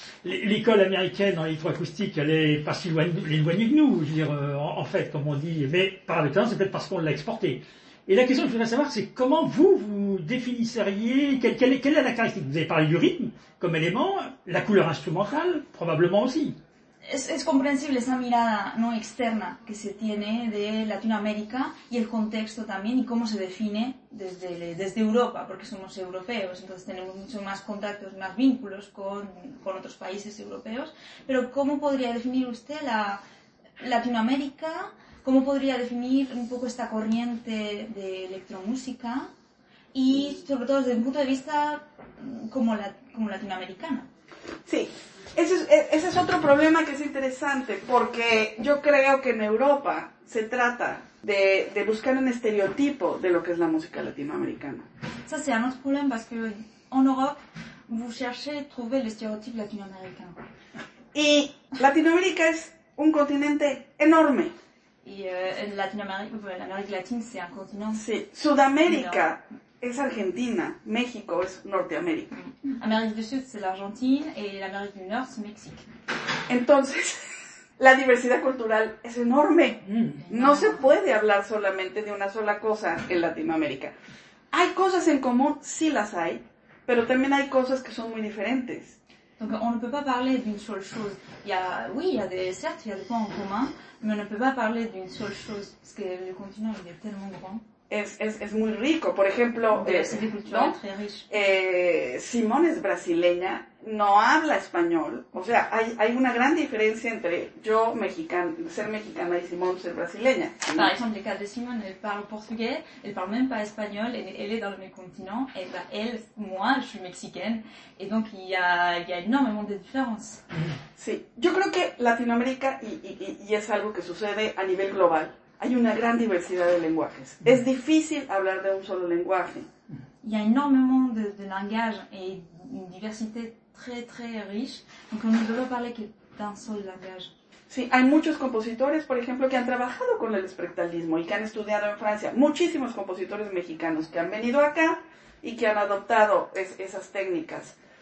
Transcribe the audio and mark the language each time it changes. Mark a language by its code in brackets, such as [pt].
[fr] L'école américaine en électroacoustique, elle est pas si éloignée de nous, je veux dire, en fait, comme on dit. Mais par le temps, c'est peut-être parce qu'on l'a exportée. Et la question que je voudrais savoir, c'est comment vous définisseriez, quelle est la caractéristique? Vous avez parlé du rythme comme élément, la couleur instrumentale, probablement aussi. [es] Es comprensible esa mirada no externa que se tiene de Latinoamérica y el contexto también y cómo se define desde Europa, porque somos europeos, entonces tenemos mucho más contactos, más vínculos con otros países europeos. Pero ¿cómo podría definir usted la Latinoamérica? ¿Cómo podría definir un poco esta corriente de electromúsica? Y sobre todo desde un punto de vista como latinoamericana. Sí. Ese es otro problema que es interesante, porque yo creo que en Europa se trata de buscar un estereotipo de lo que es la música latinoamericana. [fr] Ça c'est un autre problème parce que en Europe vous cherchez trouver le stéréotype latino-américain. [es] Y Latinoamérica es un continente enorme. [fr] Y l'Amérique latine c'est un continent. [es] Sí, Sudamérica es Argentina, México es Norteamérica. América del Sur es la Argentina y la América del Norte es México. Entonces, la diversidad cultural es enorme. No se puede hablar solamente de una sola cosa en Latinoamérica. Hay cosas en común, sí las hay, pero también hay cosas que son muy diferentes. [fr] Donc on ne peut pas parler d'une seule chose. Il y a des points en commun, mais on ne peut pas parler d'une seule chose parce que le continent il est tellement grand. [es] Es muy rico, por ejemplo, ¿no? Simón es brasileña, no habla español, o sea, hay una gran diferencia entre yo ser mexicana y Simón ser brasileña. ¿No? Por ejemplo, el caso de Simón, él habla portugués, él habla même pas español, él es del mismo continente, y él, moi, je suis mexicaine, y entonces hay énormément de diferencias. Sí, yo creo que Latinoamérica, y es algo que sucede a nivel global, hay una gran diversidad de lenguajes. Es difícil hablar de un solo lenguaje. Y hay énormément de langages y una diversidad très très riche. Entonces, no debemos hablar que d'un solo langage. Sí, hay muchos compositores, por ejemplo, que han trabajado con el espectralismo y que han estudiado en Francia. Muchísimos compositores mexicanos que han venido acá y que han adoptado esas técnicas.